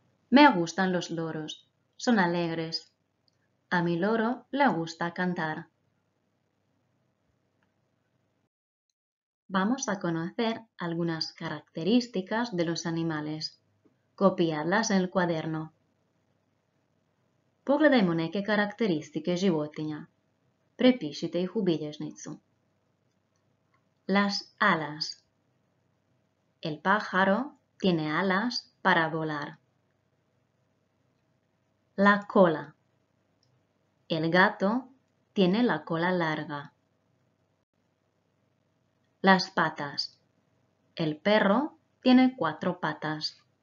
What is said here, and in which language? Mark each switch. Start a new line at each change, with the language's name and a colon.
Spanish: Me gustan los loros. Son alegres. A mi loro le gusta cantar. Vamos a conocer algunas características de los animales. Copiadlas en el cuaderno.
Croatian: Pogledajmo neke karakteristike životinja. Prepišite ih u bilježnicu.
Spanish: Las alas. El pájaro tiene alas para volar. La cola. El gato tiene la cola larga. Las patas. El perro tiene cuatro patas.